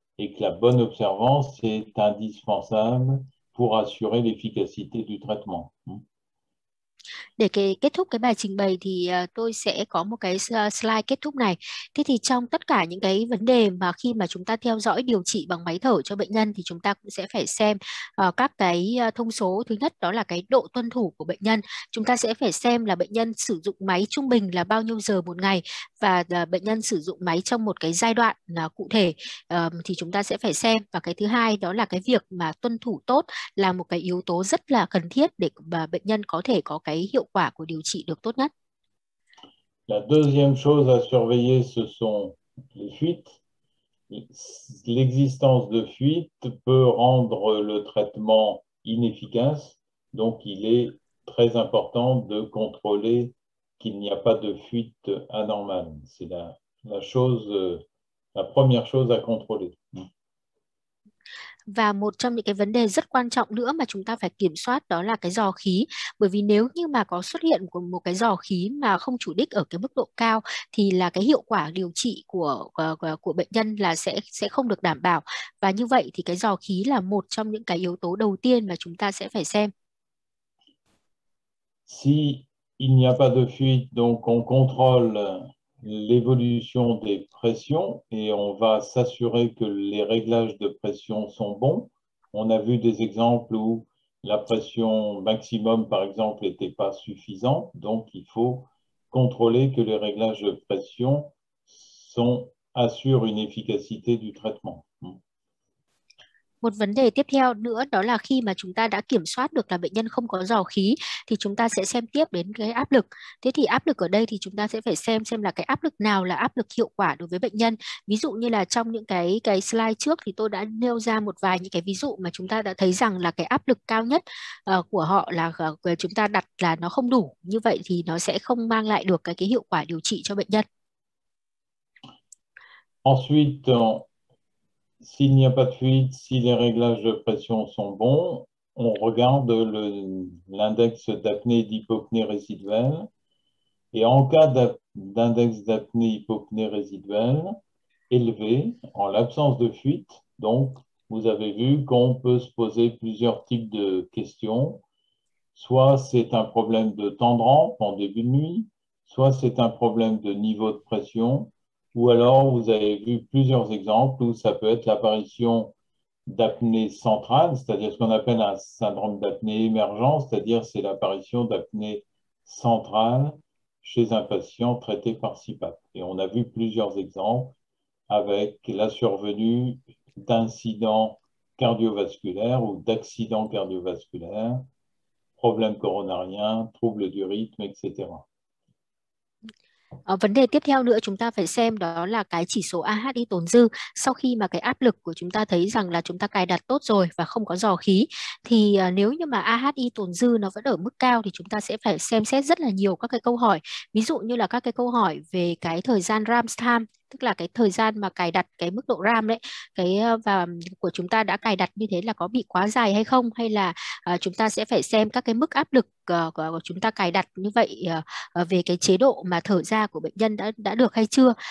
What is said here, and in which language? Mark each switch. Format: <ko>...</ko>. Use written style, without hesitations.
<fr>Et que la bonne observance est indispensable pour assurer l'efficacité du traitement.</fr> <vi>Để kết thúc cái bài trình bày thì tôi sẽ có một cái slide kết thúc này. Thế thì trong tất cả những cái vấn đề mà khi mà chúng ta theo dõi điều trị bằng máy thở cho bệnh nhân thì chúng ta cũng sẽ phải xem các cái thông số. Thứ nhất đó là cái độ tuân thủ của bệnh nhân. Chúng ta sẽ phải xem là bệnh nhân sử dụng máy trung bình là bao nhiêu giờ một ngày và bệnh nhân sử dụng máy trong một cái giai đoạn cụ thể thì chúng ta sẽ phải xem. Và cái thứ hai đó là cái việc mà tuân thủ tốt là một cái yếu tố rất là cần thiết để bệnh nhân có thể có cái hiệu quả của điều trị được tốt nhất.</vi> <fr>La deuxième chose à surveiller, ce sont les fuites. L'existence de fuites peut rendre le traitement inefficace, donc il est très important de contrôler qu'il n'y a pas de fuite anormale. C'est la première chose à contrôler.</fr> <vi>Và một trong những cái vấn đề rất quan trọng nữa mà chúng ta phải kiểm soát đó là cái giò khí, bởi vì nếu như mà có xuất hiện của một cái giò khí mà không chủ đích ở cái mức độ cao thì là cái hiệu quả điều trị của bệnh nhân là sẽ không được đảm bảo. Và như vậy thì cái giò khí là một trong những cái yếu tố đầu tiên mà chúng ta sẽ phải xem.</vi> <fr>Si il n'y a pas de fuite, donc on contrôle l'évolution des pressions et on va s'assurer que les réglages de pression sont bons. On a vu des exemples où la pression maximum, par exemple, n'était pas suffisante. Donc il faut contrôler que les réglages de pression assurent une efficacité du traitement.</fr> <vi>Một vấn đề tiếp theo nữa đó là khi mà chúng ta đã kiểm soát được là bệnh nhân không có giò khí thì chúng ta sẽ xem tiếp đến cái áp lực. Thế thì áp lực ở đây thì chúng ta sẽ phải xem là cái áp lực nào là áp lực hiệu quả đối với bệnh nhân. Ví dụ như là trong những cái slide trước thì tôi đã nêu ra một vài những cái ví dụ mà chúng ta đã thấy rằng là cái áp lực cao nhất của họ là chúng ta đặt là nó không đủ. Như vậy thì nó sẽ không mang lại được cái hiệu quả điều trị cho bệnh nhân.</vi> <fr>Ensuite, s'il n'y a pas de fuite, si les réglages de pression sont bons, on regarde l'index d'apnée d'hypopnée résiduelle. Et en cas d'index d'apnée d'hypopnée résiduelle élevé, en l'absence de fuite, donc vous avez vu qu'on peut se poser plusieurs types de questions. Soit c'est un problème de temps de rampe en début de nuit, soit c'est un problème de niveau de pression. Ou alors, vous avez vu plusieurs exemples où ça peut être l'apparition d'apnée centrale, c'est-à-dire ce qu'on appelle un syndrome d'apnée émergent, c'est-à-dire c'est l'apparition d'apnée centrale chez un patient traité par CPAP. Et on a vu plusieurs exemples avec la survenue d'incidents cardiovasculaires ou d'accidents cardiovasculaires, problèmes coronariens, troubles du rythme, etc.</fr> <vi>Vấn đề tiếp theo nữa chúng ta phải xem đó là cái chỉ số AHI tồn dư. Sau khi mà cái áp lực của chúng ta thấy rằng là chúng ta cài đặt tốt rồi và không có giò khí thì nếu như mà AHI tồn dư nó vẫn ở mức cao thì chúng ta sẽ phải xem xét rất là nhiều các cái câu hỏi. Ví dụ như là các cái câu hỏi về cái thời gian RAM time, tức là cái thời gian mà cài đặt cái mức độ RAM đấy, và của chúng ta đã cài đặt như thế là có bị quá dài hay không, hay là chúng ta sẽ phải xem các cái mức áp lực của chúng ta cài đặt như vậy về cái chế độ mà thở ra của bệnh nhân đã được hay chưa.</vi>